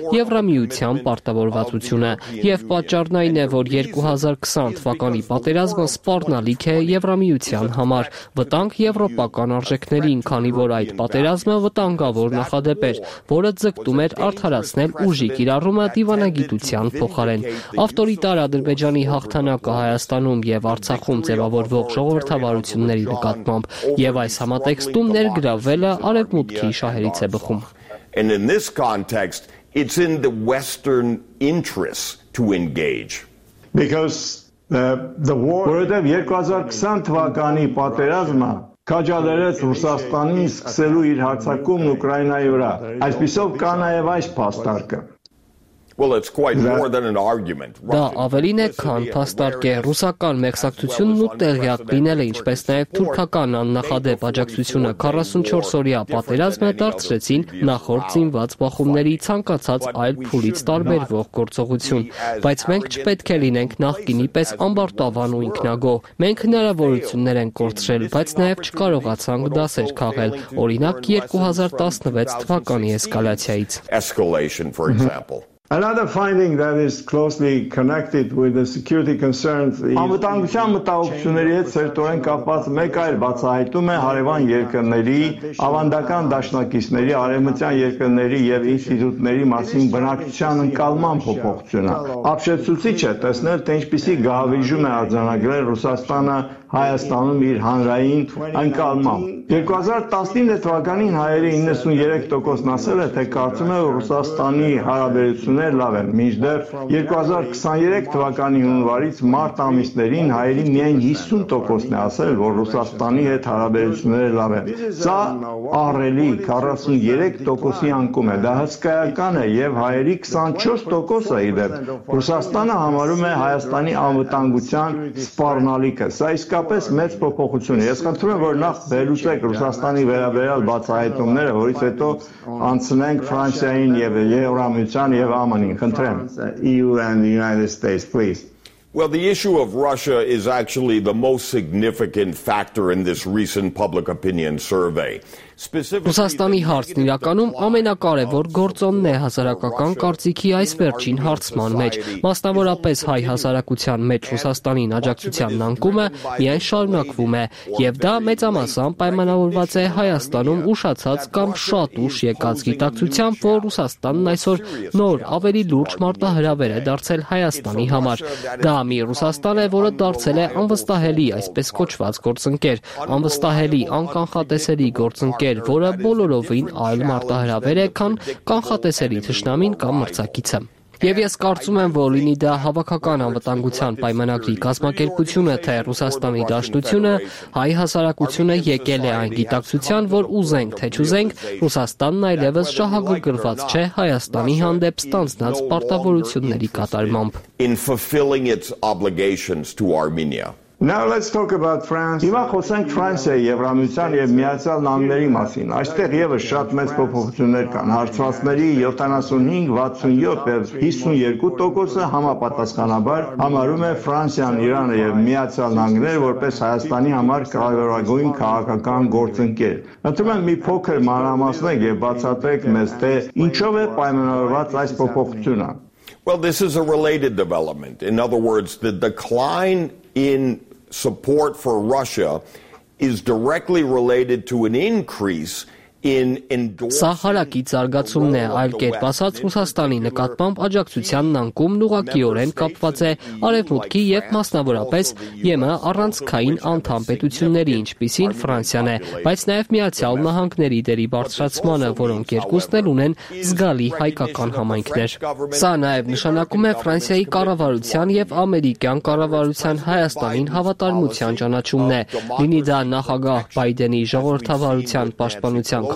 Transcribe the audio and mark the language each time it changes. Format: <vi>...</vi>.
<hy>Եվրամիության պարտավորվածությունը։ Եվ պատճառն այն է, որ 2020 թվականի պատերազմը սպառնալիք է Եվրամիության համար, վտանգ եվրոպական արժեքներին, քանի որ այդ պատերազմը վտանգավոր նախադեպ էր, որը ձգտում էր արդարացնել ուժի կիրառումը դիվանագիտության փոխարեն։ Ավտորիտար Ադրբեջանի հաղթանակը Հայաստանում և Արցախում ձևավորվող ժողովրդավարությունների նկատմամբ, և այս համատեքստում ներգրավելը արևմուտքի շահերից է բխում։</hy> <en>And in this context, it's in the Western interests to engage. Because the war,</en> <hy>որովհետև 2020 թվականի պատերազմը քաջալերեց Ռուսաստանին սկսելու իր հարձակումն Ուկրաինայի վրա, այսպիսով կա նաև այս փաստարկը։</hy> <en>Well, it's quite more than an argument.</en> <hy>Դա ավելին է, քան փաստարկ է, ռուսական մեկսակցությունն ու տեղյակ լինելը, ինչպես նաև թուրքական աննախադեպ աջակցությունը 44-օրյա պատերազմը դարձրեցին նախորդ ծինված բախումների ցանկացած այլ փուլից տարբերվող գործողություն, բայց մենք չպետք է լինենք նախկինի պես ամբարտավան ու ինքնագոհ։ Մենք հնարավորություններ ենք կորցրել, բայց նաև չկարողացանք դասեր քաղել, օրինակ 2016 թվականի էսկալացիայից։</hy> <en>Another finding that is closely connected with the security concerns is</en> <hy>Ամտանգության մտահոգությունների հետ սերտորեն կապված մեկ այլ բացահայտում է հարևան երկրների ավանդական դաշնակիցների, արևմտյան երկրների եւ ինստիտուտների մասին բնակչության ընկալման փոփոխությունը։ Ապշեցուցիչ է տեսնել, թե ինչպիսի գահավիժում է արձանագրել Ռուսաստանը Հայաստանում իր հանրային ընկալմամբ։ 2019 թվականին հայերի 93%-ն ասել է, թե կարծում է, որ Ռուսաստանի հարաբերությունները լավ են։ Մինչդեռ 2023 թվականի հունվարից մարտ ամիսներին հայերի միայն 50%-ն է ասել, որ Ռուսաստանի հետ հարաբերությունները լավ են։ Սա առելի 43%-ի անկում է, դա հսկայական է, եւ հայերի 24%-ը իդեպ Ռուսաստանը համարում է Հայաստանի անվտանգության սպառնալիքը։ Սա իսկապես մեծ փոփոխություն է։ Ես խնդրում եմ, որ նախ վերլուծեք Ռուսաստանի վերաբերյալ բացահայտումները, որից հետո անցնենք Ֆրանսիային եւ Եվրամիության եւ ԱՄՆ-ին, խնդրեմ։</hy> <en>EU and the United States, please. Well, the issue of Russia is actually the most significant factor in this recent public opinion survey.</en> <hy>Ռուսաստանի հարցն իրականում ամենակարևոր գործոնն է հասարակական կարծիքի այս վերջին հարցման մեջ։ Մասնավորապես հայ հասարակության մեջ Ռուսաստանին աջակցության անկումը միայն շարունակվում է, եւ դա մեծամասամբ պայմանավորված է Հայաստանում ուշացած կամ շատ ուշ եկած գիտակցությամբ, որ Ռուսաստանն այսօր նոր ավելի լուրջ մարտահրավեր է դարձել Հայաստանի համար։ Դա մի Ռուսաստան է, որը դարձել է անվստահելի, այսպես կոչված գործընկեր, անվստահելի, անկանխատեսելի գործընկեր, ընկեր, որը բոլորովին այլ մարտահրավեր է, քան կանխատեսելի թշնամին կամ մրցակիցը։ Եվ ես կարծում եմ, որ լինի դա հավաքական անվտանգության պայմանագրի կազմակերպությունը, թե Ռուսաստանի դաշնությունը, հայ հասարակությունը եկել է այն գիտակցության, որ ուզենք թե չուզենք, Ռուսաստանն այլևս շահագրգռված չէ Հայաստանի հանդեպ ստանձնած պարտավորությունների կատարմամբ։</hy> <en>Now let's talk about France.</en> <hy>Հիմա խոսենք Ֆրանսիայի, Եվրամիության եւ Միացյալ Նահանգների մասին։ Այստեղ եւս շատ մեծ փոփոխություններ կան։ Հարցվածների 75-67% 52%-ը համապատասխանաբար համարում է Ֆրանսիան, Իրանը եւ Միացյալ Նահանգները որպես Հայաստանի համար կարևորագույն քաղաքական գործընկեր։ Ընդդեմ մի փոքր մանրամասնենք եւ բացատրենք մեզ, թե ինչով է պայմանավորված այս փոփոխությունը։</hy> <en>Well, this is a related development. In other words, the decline in support for Russia is directly related to an increase in</en> <hy>Սահարակի զարգացումն է, այլ կերպ ասած Ռուսաստանի նկատմամբ աջակցությանն անկումն ուղղակիորեն կապված է Արևմուտքի եւ մասնավորապես ԵՄ-ի առանցքային անդամ պետությունների, ինչպիսին Ֆրանսիան է, բայց նաեւ Միացյալ Նահանգների դերի բարձրացմանը, որոնք երկուսն էլ ունեն զգալի հայկական համայնքներ։ Սա նաեւ նշանակում է Ֆրանսիայի կառավարության եւ ամերիկյան կառավարության Հայաստանին հավատարմության ճանաչումն է, լինի դա նախագահ Բայդենի ժողովրդավարության պաշտպանության</hy>